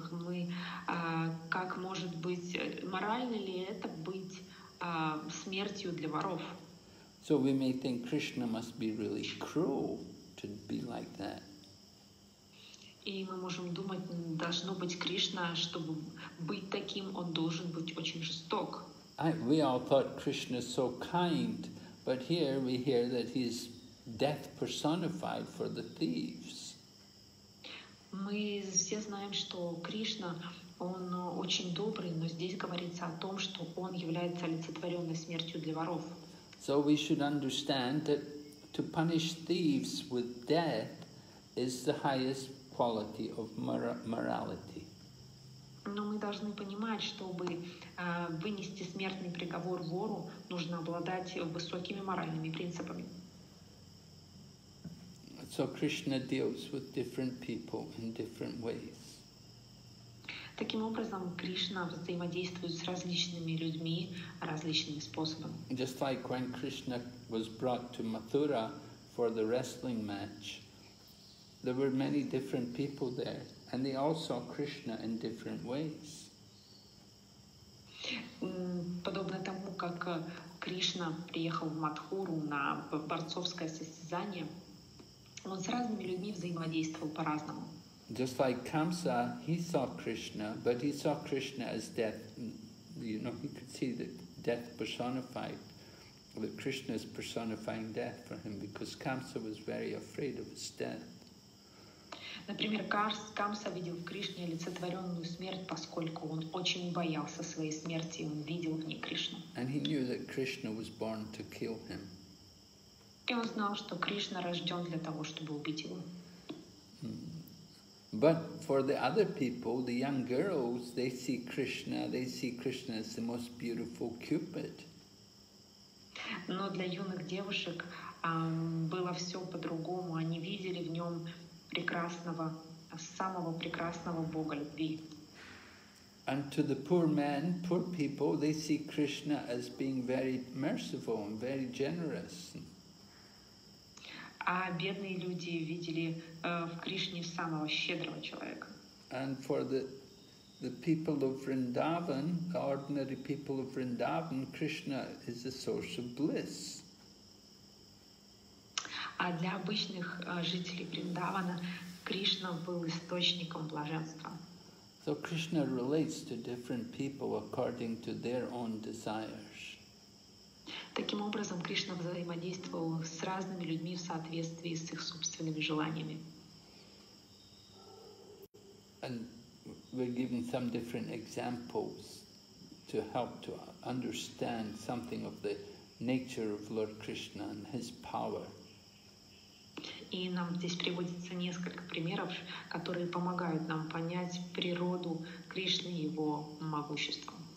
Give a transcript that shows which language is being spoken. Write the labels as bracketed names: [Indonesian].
[Russian] Мы как может быть, морально ли это быть смертью для воров? [English] So we may think Krishna must be really cruel to be like that. [Russian] И мы можем думать, должно быть Кришна, чтобы быть таким, он должен быть очень жесток. [English] We all thought Krishna is so kind, but here we hear that he's death personified for the thieves. [Russian] Мы все знаем, что Кришна, он очень добрый, но здесь говорится о том, что он является олицетворенной смертью для воров. [English] So we should understand that to punish thieves with death is the highest quality of morality. [Russian] Но мы должны понимать, чтобы вынести смертный приговор вору, нужно обладать высокими моральными принципами. [English] So Krishna deals with different people in different ways. [Russian] Таким образом, Кришна взаимодействует с различными людьми различными способами. [English] Just like when Krishna was brought to Mathura for the wrestling match, there were many different people there, and they all saw Krishna in different ways. [Russian] Подобно тому, как Кришна приехал в Матхуру на борцовское состязание, он с разными людьми взаимодействовал по-разному. [English] Just like Kamsa, he saw Krishna, but he saw Krishna as death. You know, he could see that death personified, that Krishna is personifying death for him, because Kamsa was very afraid of his death. [Russian] Например, Камса видел в Кришне олицетворенную смерть, поскольку он очень боялся своей смерти, и он видел в ней Кришну. [English] And he knew that Krishna was born to kill him. [Russian] И он знал, что Кришна рожден для того, чтобы убить его. [English] But for the other people, the young girls, they see Krishna as the most beautiful Cupid. [Russian] Но для юных девушек было все по-другому. Они видели в нем прекрасного, самого прекрасного Бога любви. [English] And to the poor men, poor people, they see Krishna as being very merciful and very generous. [Russian] А бедные люди видели в Кришне самого щедрого человека. [English] And for the people of Vrindavan, the ordinary people of Vrindavan, Krishna is a source of bliss. [Russian] А для обычных жителей Вриндавана Кришна был источником блаженства. [English] So Krishna relates to different people according to their own desires. [Russian] Таким образом, Кришна взаимодействовал с разными людьми в соответствии с их собственными желаниями. [English] And we're giving some different examples to help to understand something of the nature of Lord Krishna and his power. [Russian] И нам здесь приводится несколько примеров, которые помогают нам понять природу Кришны и его могущество.